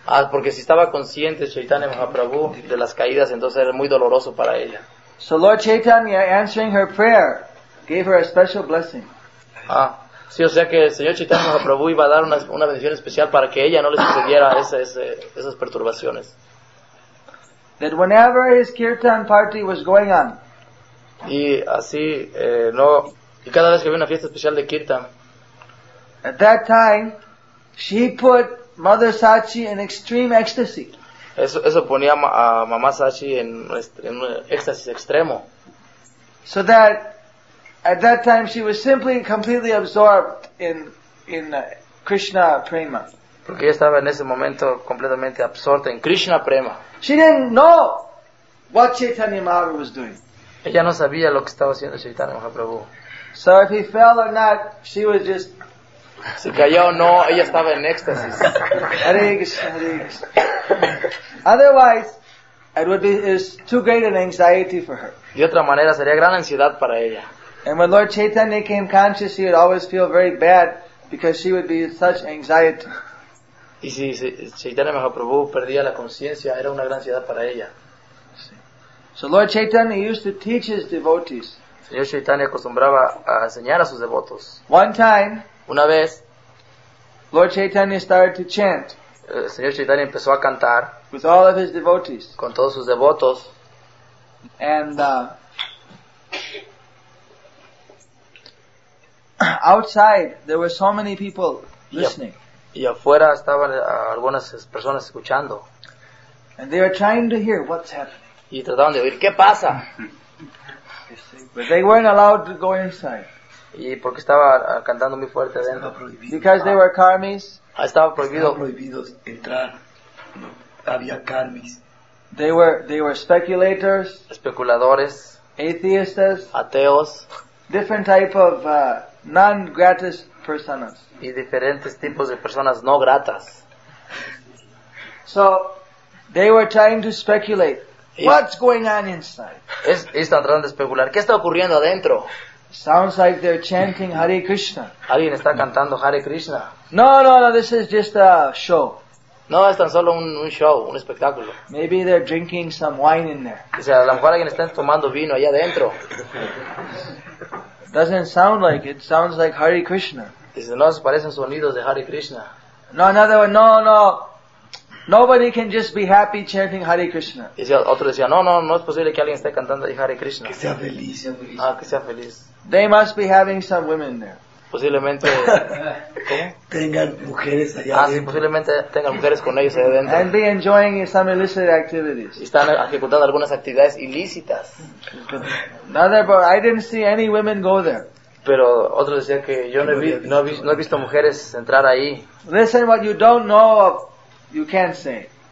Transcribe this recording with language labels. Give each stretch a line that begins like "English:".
Spanish: Porque si estaba consciente Chaitanya Mahaprabhu de las caídas, entonces era muy doloroso para ella.
English: So Lord Chaitanya, answering her prayer, gave her a special blessing.
Spanish: Sí, o sea que el señor Chaitanya Mahaprabhu iba a dar una bendición especial para que ella no le sucediera esas perturbaciones.
English: That whenever his kirtan party was going on.
Spanish: Y así, no, y cada vez que había una fiesta especial de kirtan.
English: At that time, she put Mother Sachi in extreme ecstasy.
Spanish: Eso ponía a Mamá Sachi en un éxtasis extremo.
English: So that at that time she was simply completely absorbed in Krishna prema.
Spanish: Porque ella estaba en ese momento completamente absorta en Krishna prema.
English: She didn't know what Chaitanya Mahaprabhu was doing.
Spanish: Ella no sabía lo que estaba haciendo Chaitanya Mahaprabhu.
English: So if he fell or not, she was just.
Spanish: Si cayó o no, ella estaba en éxtasis.
Sanskrit: Hare Krishna, Hare Krishna.
English: Otherwise, it was too great an anxiety for her.
Spanish: De otra manera, sería gran ansiedad para ella.
English: And when Lord Chaitanya came conscious, she would always feel very bad because she would be in such anxiety.
Spanish: Y si Chaitanya Mahaprabhu perdía la conciencia, era una gran ansiedad para ella.
English: So Lord Chaitanya used to teach his devotees.
Spanish: Señor Chaitanya acostumbraba a enseñar a sus devotos.
English: One time,
Spanish: una vez,
English: Lord Chaitanya started to chant.
Spanish: Señor Chaitanya empezó a cantar
English: with all of his devotees.
Spanish: Con todos sus devotos.
English: And outside there were so many people listening.
Spanish: Y afuera estaban algunas personas escuchando.
English: And they were trying to hear what's happening.
Spanish: Y trataban de oír qué pasa.
English: But they weren't allowed to go inside.
Spanish: Y porque estaba cantando muy fuerte adentro.
English: Because they were karmis.
Spanish: Estaba prohibido. Estaba prohibido entrar. No, había karmis.
English: They were speculators.
Spanish: Especuladores.
English: Atheists.
Spanish: Ateos.
English: Different type of non gratis
Spanish: personas. Y diferentes tipos de personas no gratas.
English: So They were trying to speculate. What's going on inside?
Spanish: Están tratando de especular. ¿Qué está ocurriendo adentro?
English: Sounds like they're chanting Hare Krishna.
Spanish: Alguien está cantando Hare Krishna.
English: No, no, no, this is just a show.
Spanish: No, es tan solo un show, un espectáculo.
English: Maybe they're drinking some wine in there.
Spanish: O sea, a lo mejor alguien está tomando vino allá adentro.
English: Doesn't sound like it. Sounds like Hare Krishna.
Spanish: Dice, no, se parecen sonidos de Hare Krishna.
English: No, another one. No, no. Nobody can just be happy chanting Hare Krishna.
Spanish: Dice, otro decía, no, no, no es posible que alguien esté cantando Hare Krishna. Que sea feliz, sea feliz. Ah, que sea feliz.
English: They must be having some women there.
Spanish: Posiblemente tengan mujeres allá adentro. Ah, sí, posiblemente tengan mujeres con ellos allá adentro.
English: And be enjoying some illicit activities.
Spanish: Y están ejecutando algunas actividades ilícitas.
English: Another, but I didn't see any women go there.
Spanish: Pero otro decía que yo no, no he visto mujeres entrar ahí.
English: Listen, what you don't know, you can't say.